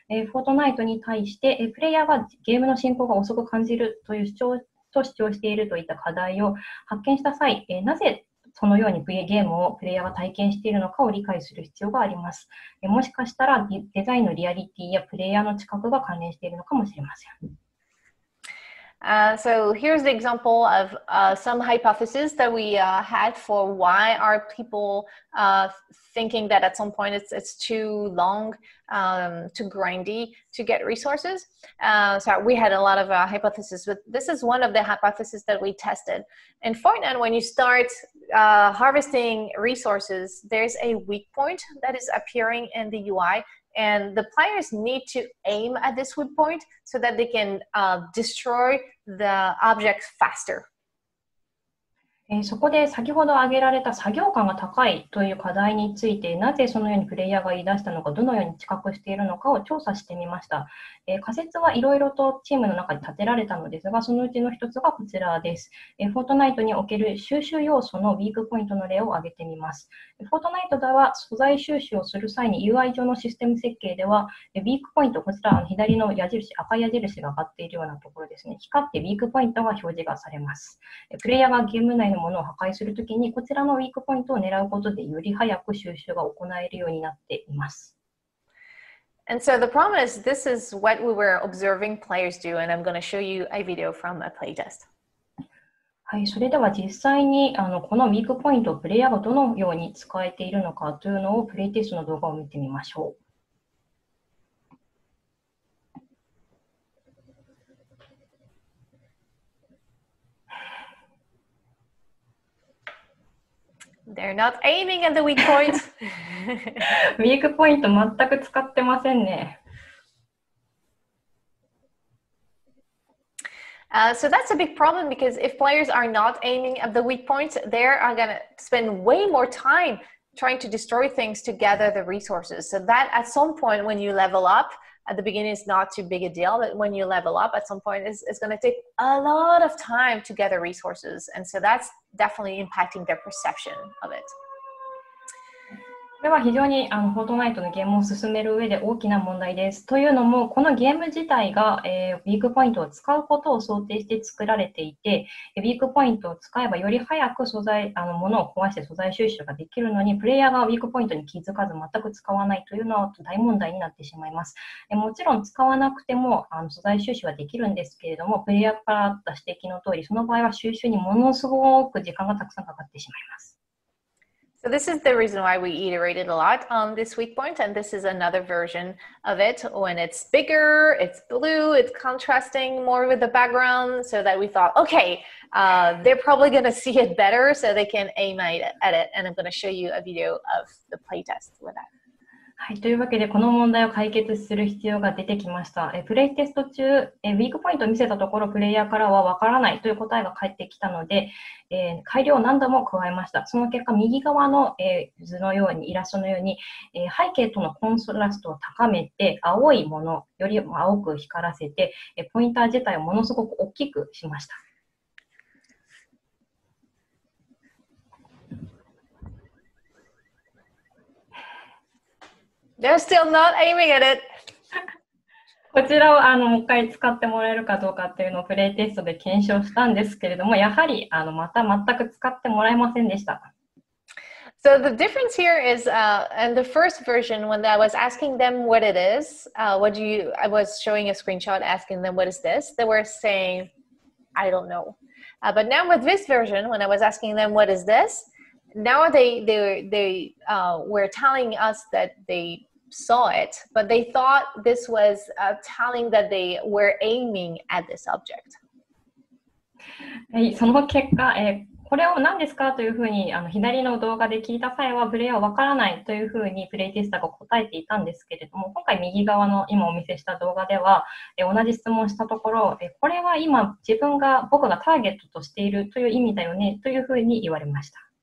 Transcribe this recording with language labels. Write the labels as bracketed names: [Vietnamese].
[Japanese] フォートナイトに対して、プレイヤーがゲームの進行が遅く感じるという主張と主張しているといった課題を発見した際、なぜそのようにゲームをプレイヤーが体験しているのかを理解する必要があります。もしかしたらデザインのリアリティやプレイヤーの知覚が関連しているのかもしれません。 [English] So here's the example of some hypotheses that we had for why are people thinking that at some point it's too long, too grindy to get resources. So we had a lot of hypotheses, but this is one of the hypotheses that we tested. In Fortnite, when you start harvesting resources, there's a weak point that is appearing in the UI. And the players need to aim at this weak point so that they can destroy the objects faster. [Japanese] そこで先ほど挙げられた作業感が高いという課題について、なぜそのようにプレイヤーが言い出したのか、どのように知覚しているのかを調査してみました。仮説はいろいろとチームの中で立てられたのですが、そのうちの一つがこちらです。フォートナイトにおける収集要素のウィークポイントの例を挙げてみます。フォートナイトでは素材収集をする際に UI 上のシステム設計では、ウィークポイント、こちら左の矢印、赤い矢印が上がっているようなところですね。光ってウィークポイントが表示がされます。プレイヤーがゲーム内のものを破壊するときに、こちらのウィークポイントを狙うことでより早く収集が行えるようになっています。 [English] And so the problem is, this is what we were observing players do, and I'm going to show you a video from a playtest. [Japanese] はい、それでは実際にこのウィークポイントをプレイヤーがどのように使えているのかというのをプレイテストの動画を見てみましょう。 [English] They're not aiming at the weak point. [Japanese] Weak point, 全く使ってませんね。 [English] So that's a big problem because if players are not aiming at the weak points, they are going to spend way more time trying to destroy things to gather the resources. So that at some point when you level up, at the beginning is not too big a deal, but when you level up at some point, it's going to take a lot of time to gather resources. And so that's definitely impacting their perception of it. [Japanese] これは非常にフォートナイトのゲームを進める上で大きな問題です。というのも、このゲーム自体が、ウィークポイントを使うことを想定して作られていて、ウィークポイントを使えばより早く素材、ものを壊して素材収集ができるのに、プレイヤーがウィークポイントに気づかず全く使わないというのは大問題になってしまいます。もちろん使わなくても素材収集はできるんですけれども、プレイヤーからあった指摘の通り、その場合は収集にものすごく時間がたくさんかかってしまいます。 [English] So this is the reason why we iterated a lot on this weak point, and this is another version of it when it's bigger, it's blue, it's contrasting more with the background, so that we thought, okay, they're probably going to see it better, so they can aim at it, and I'm going to show you a video of the playtest with that. [Japanese] はい、というわけでこの問題を解決する必要が出てきました。プレイテスト中、ウィークポイントを見せたところプレイヤーからはわからないという答えが返ってきたので、改良を何度も加えました。その結果右側の、図のようにイラストのように、背景とのコンソラストを高めて青いものより青く光らせて、ポインター自体をものすごく大きくしました。 [English] They're still not aiming at it. [Japanese] こちらをもう一回使ってもらえるかどうかっていうのをプレイテストで検証したんですけれども、やはりまた全く使ってもらえませんでした。 [English] So the difference here is, in the first version, when I was asking them what it is, I was showing a screenshot asking them what is this, they were saying, I don't know. But now with this version, when I was asking them what is this,Now they were telling us that they saw it, but they thought this was telling that they were aiming at this object. [Japanese] その結果、これを何ですかというふうに左の動画で聞いた際は、プレイヤーはわからないというふうにプレイテスターが答えていたんですけれども、今回右側の今お見せした動画では、同じ質問したところ、これは今自分が僕がターゲットとしているという意味だよねというふうに言われました。